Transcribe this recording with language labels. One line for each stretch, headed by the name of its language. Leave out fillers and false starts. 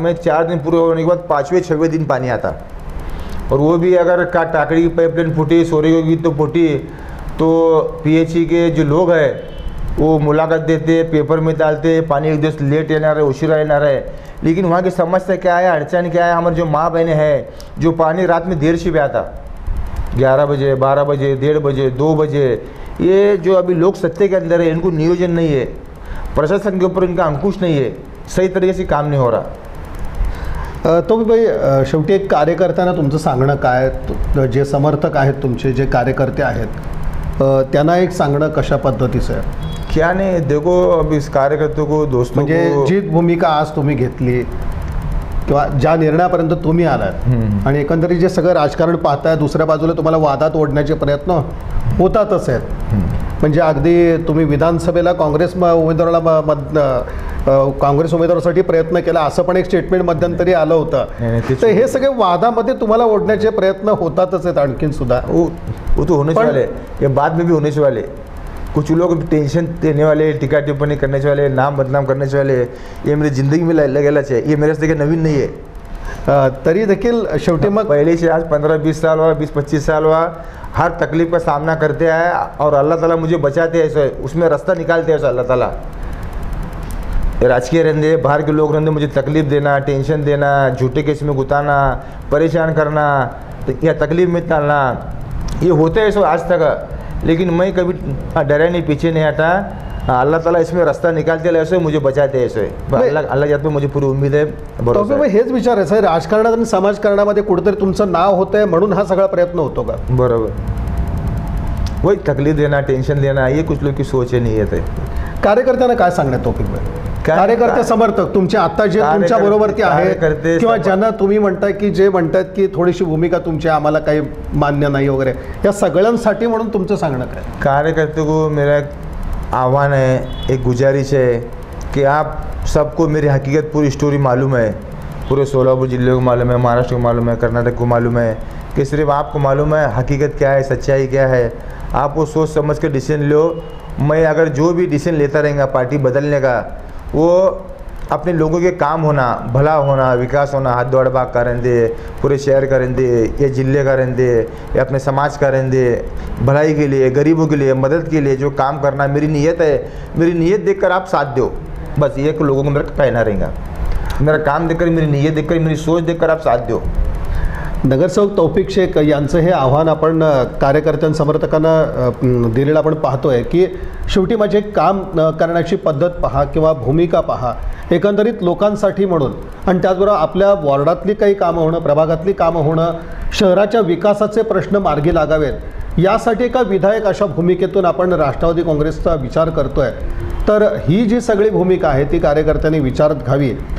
Hindi: में 4 दिन पूरे होने के बाद 5वें 6वें दिन पानी आता, और वो भी अगर टाकड़ी की पाइपलाइन फूटी, सोरेगो की तो फूटी, तो पीएचई के जो लोग है वो मुलाकात देते, पेपर में डालते, पानी एक दिन लेट आना रहे, उशीरा आना रहे, लेकिन वहाँ की समस्या क्या है, अड़चन क्या है, हमारे जो माँ बहने हैं जो पानी रात में देर से भी आता, 11 बजे 12 बजे 1:30 बजे 2 बजे, ये जो अभी लोक सत्ता के अंदर है, इनको नियोजन नहीं है, प्रशासन के ऊपर इनका अंकुश नहीं है, सही तरीके से काम नहीं हो रहा.
Marathi: तो भाई, शेवटी एक कार्यकर्त्यांना तुमचं सांगणं काय, जे समर्थक आहेत तुमचे, जे कार्यकर्ते आहेत, त्यांना एक सांगणं कशा पद्धतीचं आहे?
Hindi: क्या ने देखो, अभी कार्यकर्ते को दोस्तों
Marathi: म्हणजे जी भूमिका आज तुम्ही घेतली किंवा ज्या निर्णयापर्यंत तुम्ही आलात आणि एकंदरीत जे सगळं राजकारण पाहताय, दुसऱ्या बाजूला तुम्हाला वादात ओढण्याचे प्रयत्न होतातच आहेत, म्हणजे अगदी तुम्ही विधानसभेला काँग्रेस उमेदवाराला काँग्रेस उमेदवारासाठी प्रयत्न केला असं पण एक स्टेटमेंट मध्यंतरी आलं होतं, तर हे सगळे वादामध्ये तुम्हाला ओढण्याचे प्रयत्न होतातच आहेत आणखीन सुद्धा.
Hindi: बाद में भी होनेच वाले, कुछ लोग टेंशन देने वाले, टीका टिप्पणी करने वाले, नाम बदनाम करने वाले, ये मेरी जिंदगी में
Marathi: लगेलाच आहे,
Hindi: ये मेरे देखे नवीन नहीं है.
Marathi: तरी देखील शेवटी मग
Hindi: पहिले से आज 15-20 साल हुआ, 20-25 साल हुआ, हर तकलीफ का सामना करते आए और अल्लाह ताला मुझे बचाते हैं, ऐसे उसमें रास्ता निकालते हैं अल्लाह ताला. राजकीय रहने, बाहर के लोग रहने, मुझे तकलीफ देना, टेंशन देना, झूठे केस में गुताना, परेशान करना या तकलीफ में डालना, ये होते हैं सब आज तक, लेकिन मैं कभी डरा नहीं, पीछे नहीं हटा, अल्लाह ताला इसमें रास्ता निकालते हैं, ऐसे मुझे बचाते हैं, ऐसे अल्लाह जात में मुझे पूरी उम्मीद है.
Marathi: तो भाई हेच विचार आहे सर, राजकारणात आणि समाजकारणामध्ये कुठेतरी तुमचं नाव होतं आहे म्हणून हा सगळा प्रयत्न होतो का?
Hindi: बरोबर, वही तकलीफ देना, टेन्शन देना, ये कुछ लोग की सोच नहीं है.
Marathi: कार्यकर्त्यांना काय सांगण्यात तौफिक भाई, कार्यकर्ते समर्थक तुमचे आता जे तुमच्या बरोबरती आहेत किंवा ज्यांना तुम्ही म्हणताय की जे म्हणतात की थोडीशी भूमिका तुमची आम्हाला काही मान्य नाही वगैरे, या सगळ्यांसाठी म्हणून तुमचं सांगणं काय?
Hindi: कार्यकर्ते को मेरा एक
Marathi: आव्हान आहे,
Hindi: एक गुजारिश आहे की आप सबको मेरी हकीकत पूरी स्टोरी मालूम आहे, पूरे सोलापूर जिल्ह्या को मालूम आहे, महाराष्ट्र को मालूम आहे, कर्नाटक को मालूम आहे, की सिर्फ आपको मालूम आहे हकीकत क्या है, सच्चाई क्या है, आपको सोच समझ के डिसिजन लो मैं अगर जो भी डिसीजन लेता रहेगा पार्टी बदलने का, वो अपने लोगों के काम होना, भला होना, विकास होना, हाथ दौड़ भाग का रहेंदे, पूरे शहर का रहेंदे, ये जिले का रहेंदे, ये अपने समाज का रहेंदे, भलाई के लिए, गरीबों के लिए, मदद के लिए जो काम करना मेरी नीयत है, मेरी नीयत देखकर आप साथ दो, बस ये लोगों को मेरा कहना रहेगा, मेरा काम देखकर, मेरी नीयत देखकर, मेरी सोच देखकर आप साथ दो।
Marathi: नगरसेवक तौफिक शेख यांचं हे आव्हान आपण कार्यकर्त्यां समर्थकांना दिलेलं आपण पाहतोय की शेवटी माझे काम करण्याची पद्धत पहा किंवा भूमिका पहा एकंदरीत लोकांसाठी म्हणून, आणि त्याचबरोबर आपल्या वॉर्डातली काही कामं होणं, प्रभागातली कामं होणं, शहराच्या विकासाचे प्रश्न मार्गी लागावेत यासाठी एका विधायक अशा भूमिकेतून आपण राष्ट्रवादी काँग्रेसचा विचार करतोय, तर ही जी सगळी भूमिका आहे ती कार्यकर्त्यांनी विचारात घ्यावी।